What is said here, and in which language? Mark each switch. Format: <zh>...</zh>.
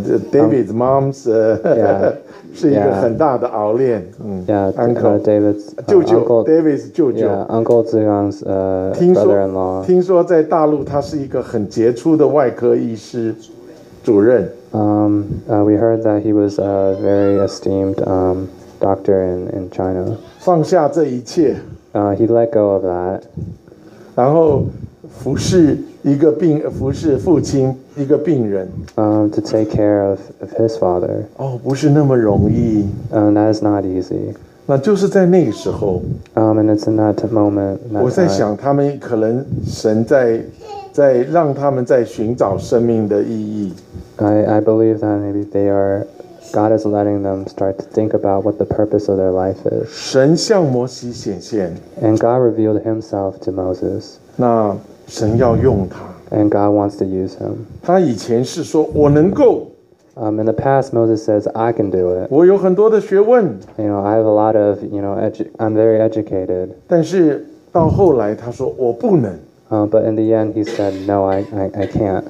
<en>David's mom's</en> <zh>是一个很大的熬炼。</zh> <en>David's</en> <zh>舅舅 David's 舅舅</zh> <en>Uncle Zhang's brother-in-law</en> <zh>听说在大陆他是一个很杰出的外科医师主任。</zh> <en>We heard that he was a very esteemed doctor in China.</en> <zh>放下这一切。</zh> <en>He let go of that.</en> <zh>然后服侍一个病，服侍父亲一个病人。</zh> <en>To take care of his father.</en> <zh>哦，不是那么容易。</zh> <en>That is not easy.</en> <zh>那就是在那个时候。</zh> <en>And it's in that moment.</en> <zh>我在想，他们可能神在让他们在寻找生命的意义。</zh> <en>I believe that maybe they are. God is letting them start to think about what the purpose of their life is.</en> <zh>神向摩西显现。</zh> <en>And God revealed himself to Moses.</en> <zh>那神要用他。</zh> <en>And God wants to use him.</en> <zh>他以前是说我能够。</zh> <en>In the past, Moses says, I can do it.</en> <zh>我有很多的学问。</zh> <en>You know, I have a lot of, you know, I'm very educated.</en> <zh>但是到后来他说我不能。</zh> <en>But in the end, he said, no, I can't.</en>